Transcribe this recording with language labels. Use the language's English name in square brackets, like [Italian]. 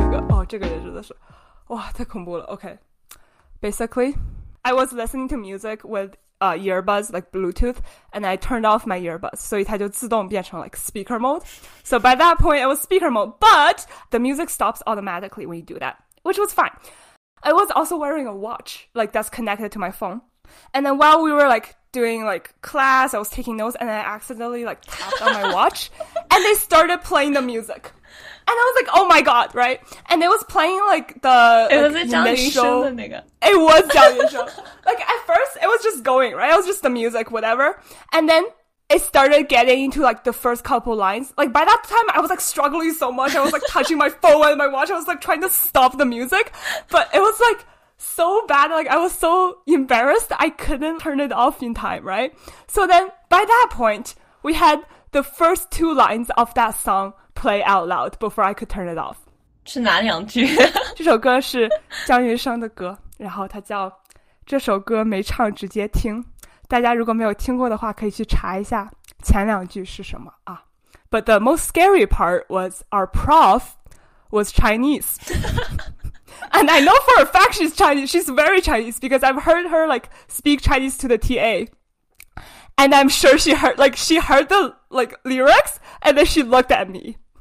[Chinese] 哦，这个也真的是，哇，太恐怖了。 [English] Okay, basically, I was listening to music with. Earbuds like Bluetooth and I turned off my earbuds so it [Chinese] 就自动变成 [English] like speaker mode so by that point it was speaker mode but the music stops automatically when you do that which was fine I was also wearing a watch like that's connected to my phone and then while we were like doing like class I was taking notes and I accidentally like tapped on my watch and they started playing the music and I was like oh my god right and it was playing like the it like, was a [Chinese] 江云生的那个 [English] It was 江云生 Like at first, it was just going, right? It was just the music, whatever. And then it started getting into like the first couple lines. Like by that time, I was like struggling so much. I was like touching my phone and my watch. I was like trying to stop the music. But it was like so bad. Like I was so embarrassed. I couldn't turn it off in time, right? So then by that point, we had the first two lines of that song play out loud before I could turn it off. [Chinese] 是哪两句？这首歌是江云生的歌，然后它叫这首歌没唱直接听，大家如果没有听过的话可以去查一下前两句是什么啊。 [English] But the most scary part was our prof was Chinese. And I know for a fact she's Chinese, she's very Chinese because I've heard her like speak Chinese to the TA. And I'm sure she heard the like lyrics and then she looked at me.